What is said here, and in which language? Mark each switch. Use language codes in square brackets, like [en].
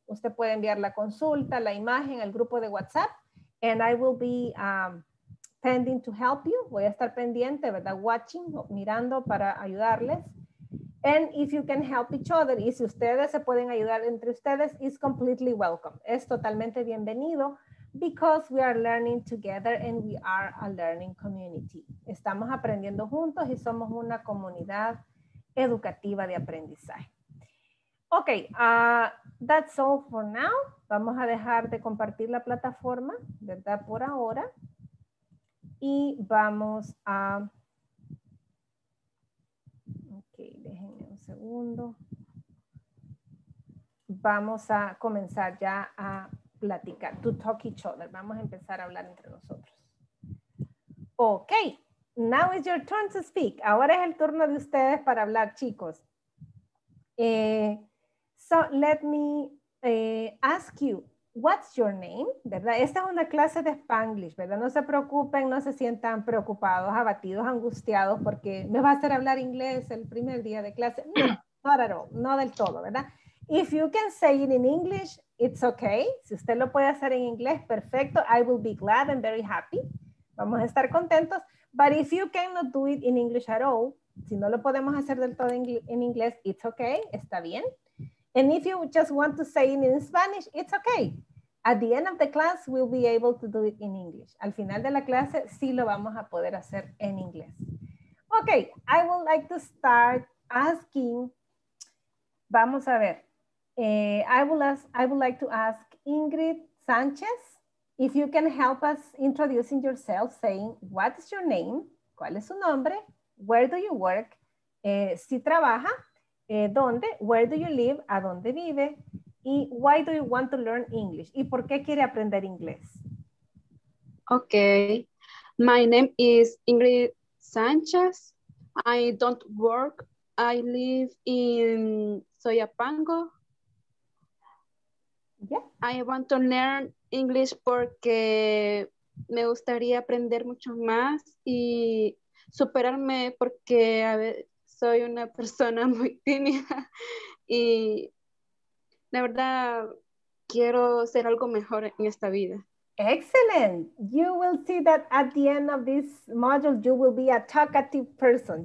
[es] Usted puede enviar la consulta, la imagen al grupo de WhatsApp. [en] And I will be pending to help you. [es] Voy a estar pendiente, ¿verdad? [en] Watching, [es] mirando para ayudarles. [en] And if you can help each other, [es] y si ustedes se pueden ayudar entre ustedes, [en] it's completely welcome. [es] Es totalmente bienvenido. [en] Because we are learning together and we are a learning community. [es] Estamos aprendiendo juntos y somos una comunidad educativa de aprendizaje. [en] Ok, that's all for now. [es] Vamos a dejar de compartir la plataforma, ¿verdad? Por ahora. Y vamos a... Ok, déjenme un segundo. Vamos a comenzar ya a... platicar, [en] to talk each other. [es] Vamos a empezar a hablar entre nosotros. [en] Ok, now is your turn to speak. [es] Ahora es el turno de ustedes para hablar, chicos. [en] So let me ask you, what's your name? [es] ¿Verdad? Esta es una clase de Spanglish, ¿verdad? No se preocupen, no se sientan preocupados, abatidos, angustiados, porque me va a hacer hablar inglés el primer día de clase. No, [en] not at all, [es] no del todo, ¿verdad? [en] If you can say it in English, it's okay. [es] Si usted lo puede hacer en inglés, perfecto. [en] I will be glad and very happy. [es] Vamos a estar contentos. [en] But if you cannot do it in English at all, [es] si no lo podemos hacer del todo en inglés, [en] it's okay. [es] Está bien. [en] And if you just want to say it in Spanish, it's okay. At the end of the class, we'll be able to do it in English. [es] Al final de la clase, sí lo vamos a poder hacer en inglés. [en] Okay, I would like to start asking, [es] vamos a ver. [en] I would like to ask Ingrid Sánchez if you can help us introducing yourself, saying what is your name, [es] cuál es su nombre, [en] where do you work, [es] si trabaja, dónde, [en] where do you live, [es] a dónde vive, [en] y why do you want to learn English, [es] y por qué quiere aprender inglés. [en] Okay, my name is Ingrid Sánchez. I don't work. I live in Soyapango. Yeah. I want to learn English [es] porque me gustaría aprender mucho más y superarme porque a veces soy una persona muy tímida y la verdad quiero ser algo mejor en esta vida. [en] Excellent. You will see that at the end of this module, you will be a talkative person.